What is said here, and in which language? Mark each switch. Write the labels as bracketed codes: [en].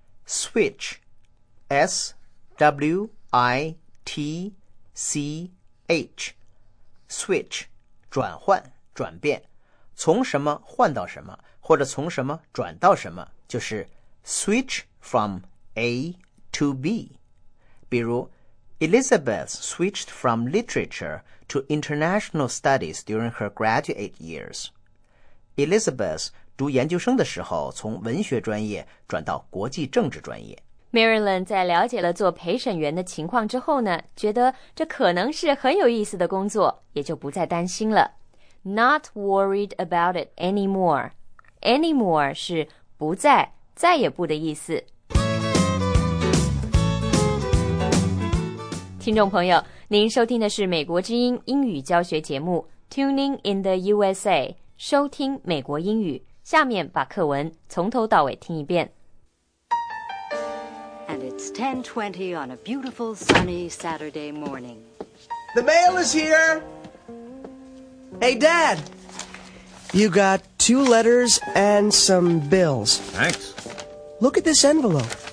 [zh] Switch, S-W-I-T-C-H, switch, 转换、转变，从什么换到什么，或者从什么转到什么，就是 [en] switch from A to B。 [zh] 比如 [en] Elizabeth switched from literature to international studies during her graduate years. [zh] Elizabeth 读研究生的时候，从文学专业转到国际政治专业。 Marilyn 在了解了做陪审员的情况之后呢，觉得这可能是很有意思的工作，也就不再担心了。 [en] not worried about it anymore. [zh] Anymore 是不再，再也不的意思。听众朋友，您收听的是美国之音英语教学节目 Tuning in the USA， 收听美国英语。下面把课文从头到尾听一遍。 [en] And it's 10:20 on a beautiful sunny Saturday morning. The mail is here! Hey, Dad! You got two letters and some bills. Thanks. Look at this envelope.